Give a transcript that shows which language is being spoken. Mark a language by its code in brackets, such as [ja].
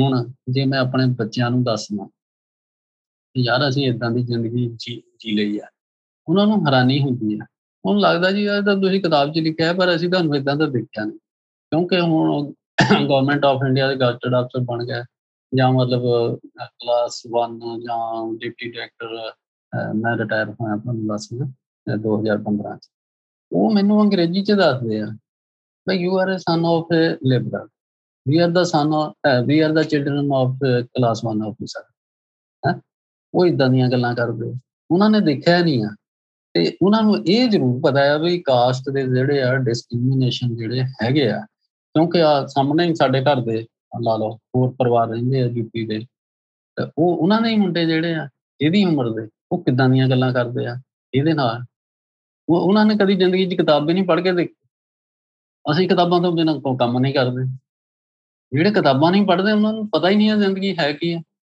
[pa] ਹੁਣ ਜੇ ਮੈਂ ਆਪਣੇ ਬੱਚਿਆਂ ਨੂੰ ਦੱਸਦਾ ਯਾਰ ਅਸੀਂ ਏਦਾਂ ਦੀ ਜ਼ਿੰਦਗੀ ਜੀ ਲਈ ਆ, ਉਹਨਾਂ ਨੂੰ ਹੈਰਾਨੀ ਹੁੰਦੀ ਆ, ਉਹਨੂੰ ਲੱਗਦਾ ਜੀ ਇਹ ਤਾਂ ਤੁਸੀਂ ਕਿਤਾਬ 'ਚ ਲਿਖਿਆ ਪਰ ਅਸੀਂ ਤੁਹਾਨੂੰ ਏਦਾਂ ਤਾਂ ਦੇਖਿਆ ਨਹੀਂ, ਕਿਉਂਕਿ ਹੁਣ ਉਹ ਗਵਰਨਮੈਂਟ ਆਫ ਇੰਡੀਆ ਦੇ ਗਜ਼ਟਡ ਅਫਸਰ ਬਣ ਗਿਆ ਜਾਂ ਮਤਲਬ ਕਲਾਸ 1 ਜਾਂ ਡਿਪਟੀ ਡਾਇਰੈਕਟਰ, ਮੈਂ ਰਿਟਾਇਰ ਹੋਇਆ ਤੁਹਾਨੂੰ ਦੱਸ ਦਿਆਂ 2015 'ਚ, ਉਹ ਮੈਨੂੰ ਅੰਗਰੇਜ਼ੀ 'ਚ ਦੱਸਦੇ ਆ [en] But you are a son of a liberal. We are the son of, we are the children of class one officer. [pa] ਉਹ ਇਦਾਂ ਦੀਆਂ ਗੱਲਾਂ ਕਰਦੇ ਉਹਨਾਂ ਨੇ ਦੇਖਿਆ ਨਹੀਂ ਆ ਤੇ ਉਹਨਾਂ ਨੂੰ ਇਹ ਜ਼ਰੂਰ ਪਤਾ ਆ ਵੀ ਕਾਸਟ ਦੇ ਜਿਹੜੇ ਆ ਡਿਸਕ੍ਰਿਮੀਨੇਸ਼ਨ ਜਿਹੜੇ ਹੈਗੇ ਆ ਕਿਉਂਕਿ ਆ ਸਾਹਮਣੇ ਹੀ ਸਾਡੇ ਘਰ ਦੇ ਲਾ ਲਓ ਹੋਰ ਪਰਿਵਾਰ ਰਹਿੰਦੇ ਆ ਯੂਪੀ ਦੇ ਤੇ ਉਹ ਉਹਨਾਂ ਦੇ ਹੀ ਮੁੰਡੇ ਜਿਹੜੇ ਆ ਇਹਦੀ ਉਮਰ ਦੇ ਉਹ ਕਿੱਦਾਂ ਦੀਆਂ ਗੱਲਾਂ ਕਰਦੇ ਆ ਇਹਦੇ ਨਾਲ ਉਹਨਾਂ ਨੇ ਕਦੀ ਜ਼ਿੰਦਗੀ 'ਚ ਕਿਤਾਬੇ ਨਹੀਂ ਪੜ੍ਹ ਕੇ ਦੇਖੇ ਅਸੀਂ ਕਿਤਾਬਾਂ ਤੋਂ ਬਿਨਾਂ ਕੋਈ ਕੰਮ ਨਹੀਂ ਕਰਦੇ ਜਿਹੜੇ ਕਿਤਾਬਾਂ ਨਹੀਂ ਪੜ੍ਹਦੇ ਉਹਨਾਂ ਨੂੰ ਪਤਾ ਹੀ ਨਹੀਂ ਆ ਜ਼ਿੰਦਗੀ ਹੈ ਕੀ ਆ